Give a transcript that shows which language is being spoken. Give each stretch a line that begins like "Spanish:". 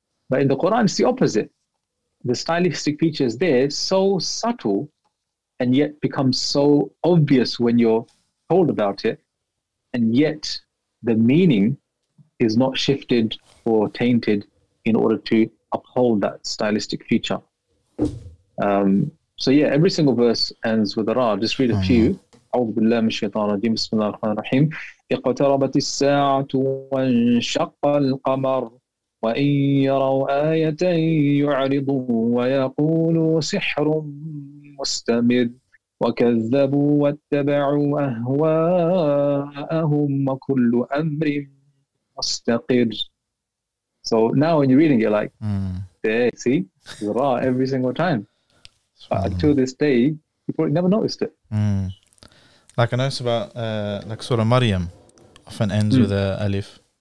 English: But in the Quran, it's the opposite. The stylistic features there, so subtle and yet become so obvious when you're told about it. And yet the meaning is not shifted or tainted in order to uphold that stylistic feature. Every single verse ends with a ra. Just read a few.
Arabic: أعوذ بالله من الشيطان الرجيم بسم الله الرحمن الرحيم اقتربت الساعة وانشق القمر وإن يروا آية يعرضوا ويقولوا سحر مستمر وكذبوا واتبعوا أهواءهم وكل أمر مستقر.
English: So now when you're reading, you're like, see, it's raw every single time. But until this day, you probably never noticed it. Like I noticed about Surah Maryam often ends with a alif.